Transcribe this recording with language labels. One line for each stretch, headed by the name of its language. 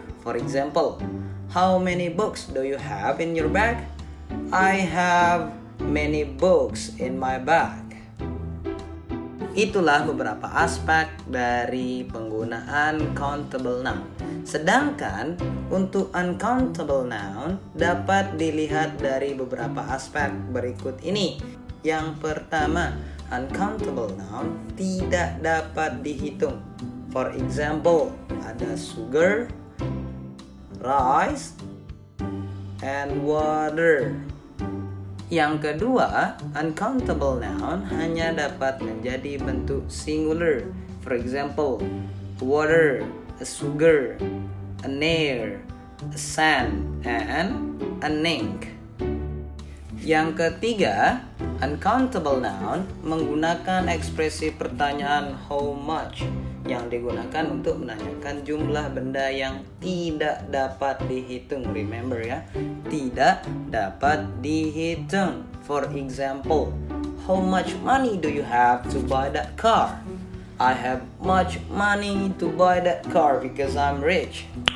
English: For example, how many books do you have in your bag? I have many books in my bag.
Indonesian: Itulah beberapa aspek dari penggunaan countable noun. Sedangkan untuk uncountable noun dapat dilihat dari beberapa aspek berikut ini. Yang pertama, uncountable noun tidak dapat dihitung.
English: For example, ada sugar, rice, and water.
Indonesian: Yang kedua, uncountable noun hanya dapat menjadi bentuk singular.
English: For example, water, a sugar, an air, a sand, and an ink.
Indonesian: Yang ketiga, uncountable noun menggunakan ekspresi pertanyaan how much yang digunakan untuk menanyakan jumlah benda yang tidak dapat dihitung.
English: Remember
Indonesian: ya, tidak dapat dihitung.
English: For example, how much money do you have to buy that car? I have much money to buy that car because I'm rich.